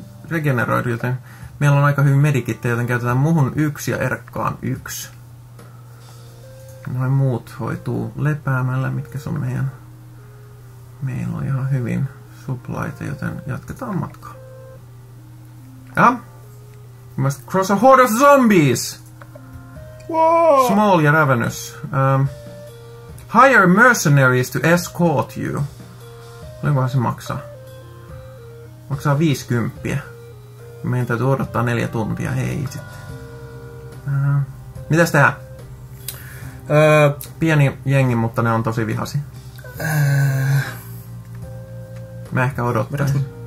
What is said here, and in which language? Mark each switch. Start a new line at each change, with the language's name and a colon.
Finnish: regeneroidu, joten meillä on aika hyvin medikittejä, joten käytetään muhun yksi ja Erkkaan yksi. Noin muut hoituu lepäämällä, mitkä se on meidän... Meillä on ihan hyvin supplyta, joten jatketaan matkaa. Ja?
English: We must cross a horde of zombies! Whoa. Small ja Ravenous. Hire mercenaries to escort you.
Finnish: Olikohan se maksaa? Maksaa 50. Meidän täytyy odottaa 4 tuntia, hei sitten. Mitäs tehdään? Pieni jengi, mutta ne on tosi vihasi. Mä ehkä odottaisin.